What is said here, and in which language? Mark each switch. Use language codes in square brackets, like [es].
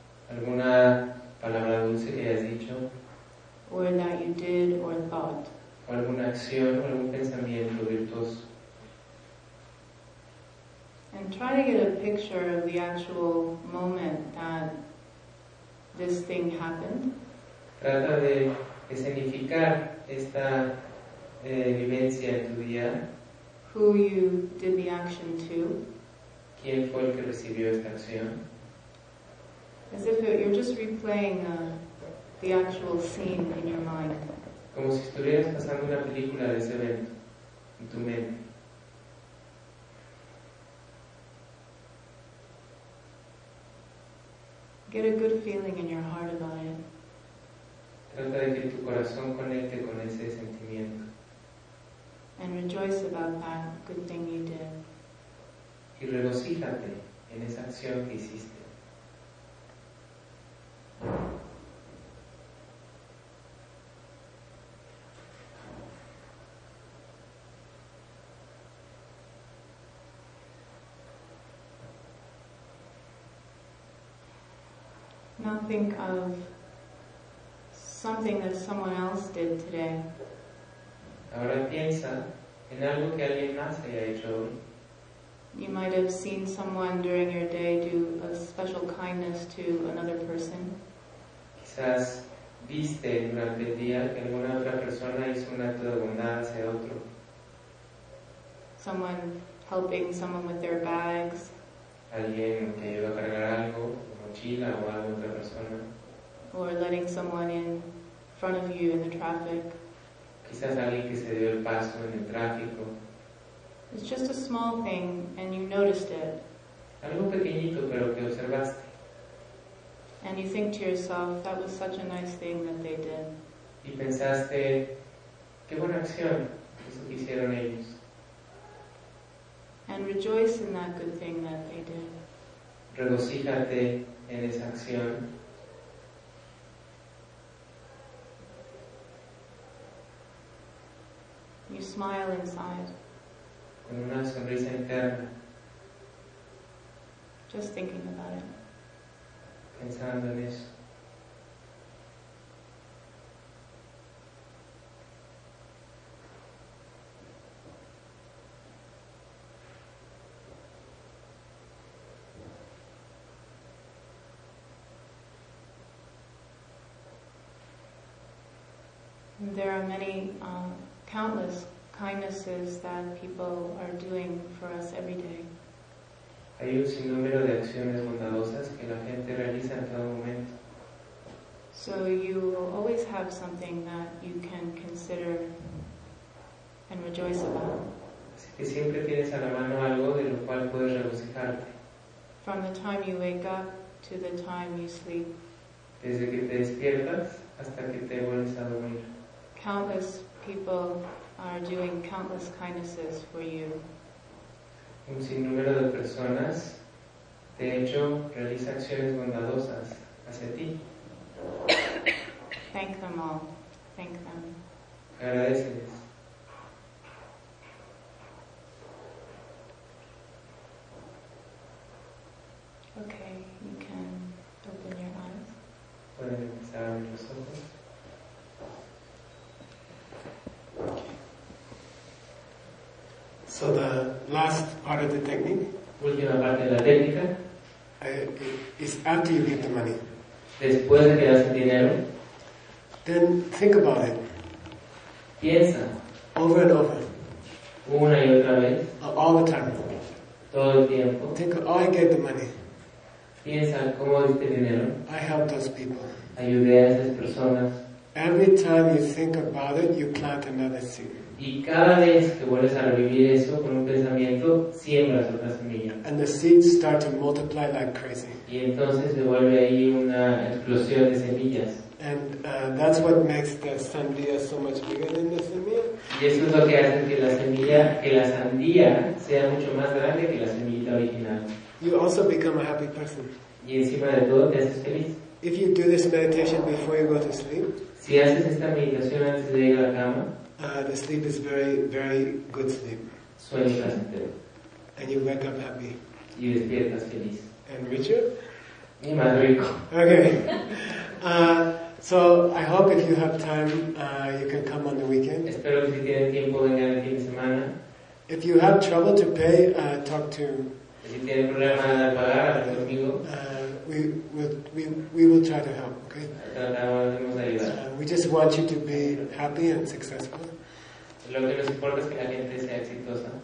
[es] Alguna palabra dulce que has dicho. [en] Or that you did or thought. [es] O alguna acción o algún pensamiento virtuoso. [en] And try to get a picture of the actual moment that this thing happened. [es] Trata de escenificar esta vivencia en tu día. [en] Who you did the action to. [es] ¿Quién fue el que recibió esta acción? [en] As if you're just replaying the actual scene in your mind. [es] Como si estuvieras pasando una película de ese evento en tu mente. [en] Get a good feeling in your heart about it. [es] Trata de que tu corazón conecte con ese sentimiento. [en] And rejoice about that good thing you did. [es] Y regocíjate en esa acción que hiciste. [en] not think of something that someone else did today. [es] Ahora piensa en algo que alguien más haya hecho hoy. [en] You might have seen someone during your day do a special kindness to another person. [es] Quizás viste durante el día que alguna otra persona hizo un acto de bondad hacia otro. [en] Someone helping someone with their bags. [es] Alguien que ayuda a cargar algo, mochila o algo a otra persona. [en] Or letting someone in front of you in the traffic. [es] Quizás alguien que se dio el paso en el tráfico. [en] It's just a small thing, and you noticed it. [es] Algo pequeñito, pero que observaste. [en] And you think to yourself, that was such a nice thing that they did. [es] Y pensaste, qué buena acción eso que hicieron ellos. [en] And rejoice in that good thing that they did. [es] Regocíjate en esa acción. [en] You smile inside. [es] Con una sonrisa interna. [en] Just thinking about it. [es] Pensando en eso. [en] There are many countless kindnesses that people are doing for us every day. [es] Hay un sinnúmero de acciones bondadosas que la gente realiza en todo momento. [en] So you always have something that you can consider and rejoice about. [es] Así que siempre tienes a la mano algo de lo cual puedes regocijarte. [en] From the time you wake up to the time you sleep. [es] Desde que te despiertas hasta que te vuelves a dormir. [en] Countless people are doing countless kindnesses for you. [es] Un sinnúmero de personas, de hecho, realiza acciones bondadosas hacia ti. [en] Thank them all. Thank them. [es] Agradeceles. [en] Okay, you can open your eyes. [es] Pueden empezar a abrir los ojos. [en] So the last part of the technique, [es] última parte de la técnica, [en] is after you get the money. [es] Después de que das el dinero, [en] then think about it. [es] Piensa. [en] Over and over. [es] Una y otra vez. [en] All the time. [es] Todo el tiempo. [en] Think, oh, I get the money. [es] Piensa, ¿cómo das el dinero? [en] I help those people. [es] Ayudé a esas personas. [en] Every time you think about it, you plant another seed. [es] Y cada vez que vuelves a revivir eso con un pensamiento, siembras otra semilla. [en] And the seeds start to multiply like crazy. [es] Y entonces se vuelve ahí una explosión de semillas. [en] And that's what makes the sandia so much bigger than the semilla. [es] Y eso es lo que hace que la semilla, que la sandía sea mucho más grande que la semillita original. [en] You also become a happy person. [es] Y encima de todo te haces feliz. [en] If you do this meditation before you go to sleep, [es] si haces esta meditación antes de ir a la cama, [en] The sleep is very, very good sleep. [es] Sueño placentero. [en] And you wake up happy. [es] Y despiertas feliz. [en] And richer? [es] Y más rico. [en] Okay. So I hope if you have time, you can come on the weekend. [es] Espero que si tienes tiempo vengan el fin de semana. [en] If you have trouble to pay, talk to. [es] Si tienes problema de pagar, habla conmigo. [en] We will try to help, okay? We just want you to be happy and successful. [es] Lo que nos importa es que la gente sea exitosa.